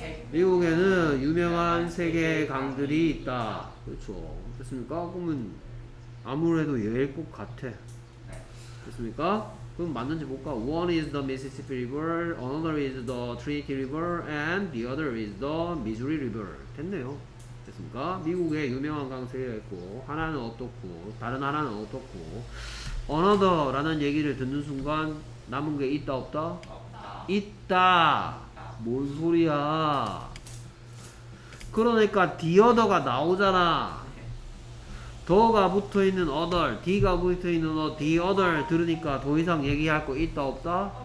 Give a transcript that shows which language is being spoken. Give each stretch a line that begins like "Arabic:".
Korean: 미국에는 유명한 세 개의 강들이 있다. 그렇죠. 됐습니까? 그러면 아무래도 얘일 것 같아. 됐습니까? 그럼 맞는지 볼까?
English: One is the Mississippi River, another is the Trinity River, and the other is the Missouri River.
Korean: 됐네요. 됐습니까? 미국에 유명한 강 세 개가 있고 하나는 어떻고 다른 하나는 어떻고 another라는 얘기를 듣는 순간 남은 게 있다 없다? 없다. 있다. 뭔 소리야. 그러니까 the other가 나오잖아. 더가 붙어 있는 other, d가 붙어 있는 the other 들으니까 더 이상 얘기할 거 있다 없다?